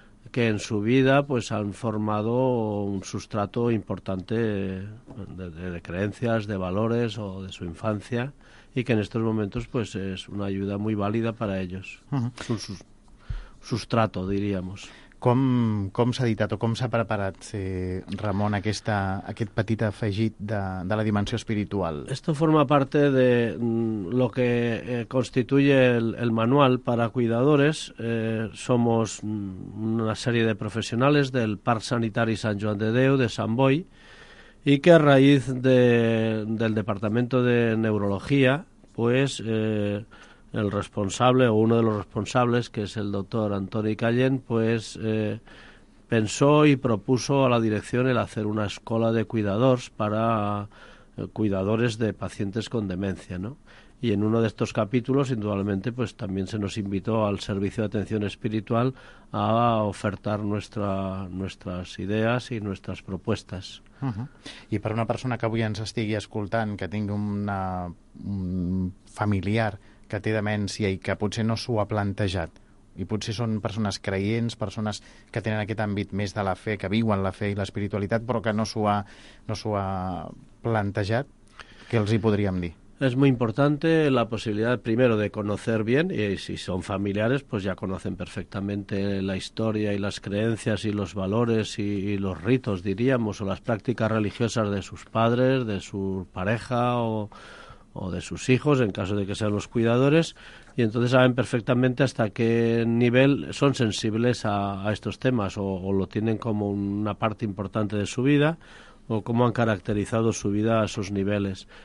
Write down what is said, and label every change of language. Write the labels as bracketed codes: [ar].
[es] que en su vida pues han formado un sustrato importante de creencias, de valores o de su infancia, y que en estos momentos pues es una ayuda muy válida para ellos, un sustrato, diríamos. [ca] Com s'ha editat o com s'ha preparat, Ramon, aquest petit afegit de la dimensió espiritual? [es] Esto forma parte de lo que constituye el manual para cuidadores. Somos una serie de profesionales del Parc Sanitari Sant Joan de Déu de Sant Boi y que a raíz del Departamento de Neurología, pues el responsable o uno de los responsables, que es el doctor Antoni Callen, pues pensó y propuso a la dirección el hacer una escuela de cuidadores para cuidadores de pacientes con demencia, ¿no? Y en uno de estos capítulos, indudablemente, pues también se nos invitó al Servicio de Atención Espiritual a ofertar nuestras ideas y nuestras propuestas. [ca] Uh-huh. I per una persona que avui ens estigui escoltant, que tingui un familiar que té demència i que potser no s'ho ha plantejat, i potser són persones creients, persones que tenen aquest àmbit més de la fe, que viuen la fe i l'espiritualitat, però que no s'ho ha plantejat, què els hi podríem dir? [es] Es muy importante la posibilidad, primero, de conocer bien, y si son familiares, pues ya conocen perfectamente la historia y las creencias y los valores y los ritos, diríamos, o las prácticas religiosas de sus padres, de su pareja o de sus hijos, en caso de que sean los cuidadores, y entonces saben perfectamente hasta qué nivel son sensibles a estos temas o lo tienen como una parte importante de su vida, o cómo han caracterizado su vida a esos niveles.